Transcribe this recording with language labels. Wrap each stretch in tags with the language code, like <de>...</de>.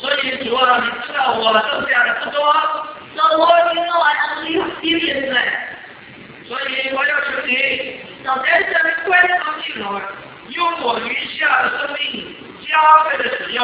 <zh>所以主啊，你知道我剩下的不多。</zh> <en>So Lord, you know I only have a few years left.</en> <zh>所以我要求你。</zh> <en>So there's a request from you, Lord.</en> <zh>用我余下的生命加倍的使用。</zh>